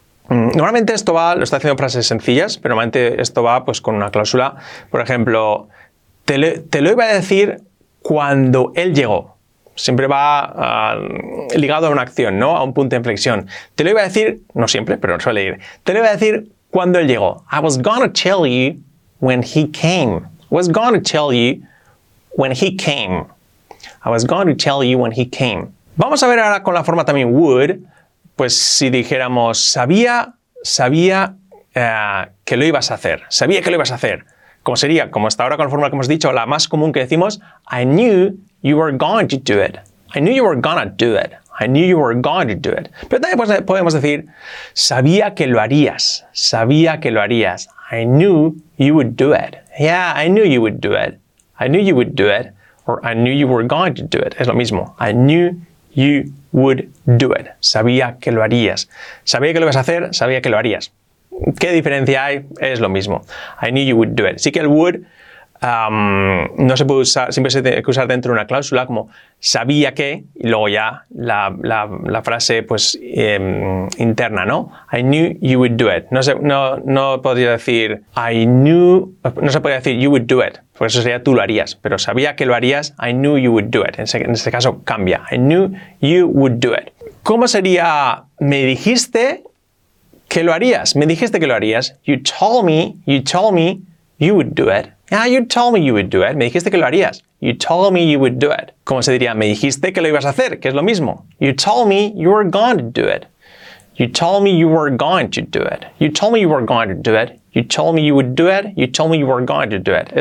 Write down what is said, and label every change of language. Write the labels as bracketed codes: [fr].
[es] Normalmente esto va, lo estoy haciendo frases sencillas, pero normalmente esto va pues con una cláusula. Por ejemplo, te lo iba a decir cuando él llegó. Siempre va ligado a una acción, ¿no? A un punto de inflexión. Te lo iba a decir, no siempre, pero suele ir. Te lo iba a decir cuando él llegó. [en] I was gonna tell you when he came. I was gonna tell you when he came. I was gonna tell you when he came. [es] Vamos a ver ahora con la forma también would. Pues si dijéramos, sabía que lo ibas a hacer. Sabía que lo ibas a hacer. ¿Cómo sería? Como hasta ahora con la fórmula que hemos dicho, la más común que decimos, [en] I knew you were going to do it. I knew you were going to do it. I knew you were going to do it. Pero también podemos decir, sabía que lo harías. [es] Sabía que lo harías. [en] I knew you would do it. Yeah, I knew you would do it. I knew you would do it. Or I knew you were going to do it. [es] Es lo mismo. [en] I knew you would do it. [es] Sabía que lo harías. Sabía que lo ibas a hacer, sabía que lo harías. ¿Qué diferencia hay? Es lo mismo. [en] I knew you would do it. [es] Sí que el would no se puede usar, siempre se tiene que usar dentro de una cláusula, como sabía que, y luego ya la frase pues interna, ¿no? [en] I knew you would do it. [es] No se podría decir [en] you would do it. [es] Por eso sería tú lo harías, pero sabía que lo harías, [en] I knew you would do it. [es] En este caso cambia, [en] I knew you would do it. [es] ¿Cómo sería me dijiste que lo harías? Me dijiste que lo harías. [en] You told me you would do it. Yeah, you told me you would do it. [es] Me dijiste que lo harías. [en] You told me you would do it. [es] ¿Cómo se diría? Me dijiste que lo ibas a hacer, que es lo mismo. [en] You told me you were going to do it. You told me you were going to do it. You told me you were going to do it. You told me you would do it. You told me you were going to do it.